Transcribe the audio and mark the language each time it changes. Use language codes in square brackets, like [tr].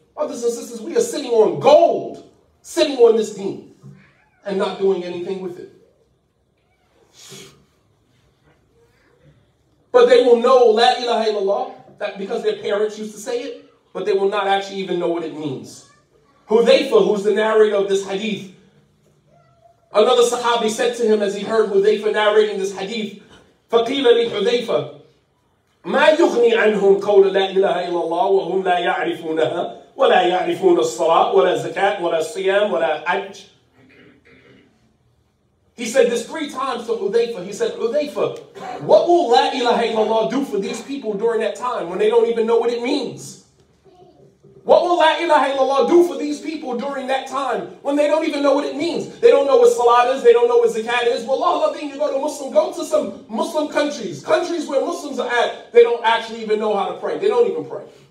[en] Brothers and sisters, we are sitting on gold, sitting on this deen, and not doing anything with it. But they will know la ilaha illallah, that because their parents used to say it, but they will not actually even know what it means. Hudhayfa, who's the narrator of this hadith, [ar] another sahabi said to him as he heard Hudhayfa narrating this hadith, فَقِيلَ لِحُذَيْفَ مَا يُغْنِي عَنْهُمْ قَوْلَ لَا إِلَهَ إِلَّا اللَّهُ وَهُمْ لَا يَعْرِفُونَهَا وَلَا يَعْرِفُونَ الصَّلَاةَ وَلَا الزَّكَاةَ وَلَا الصِّيَامَ وَلَا حَجَّ. [en] He said this three times to Hudhayfa. He said, Hudhayfa, what will La ilaha illallah do for these people during that time when they don't even know what it means? What will La ilaha illallah do for these people during that time when they don't even know what it means? They don't know what salat is. They don't know what zakat is. Well, Allah, you go to Muslim, go to some Muslim countries, countries where Muslims are at, they don't actually even know how to pray. They don't even pray.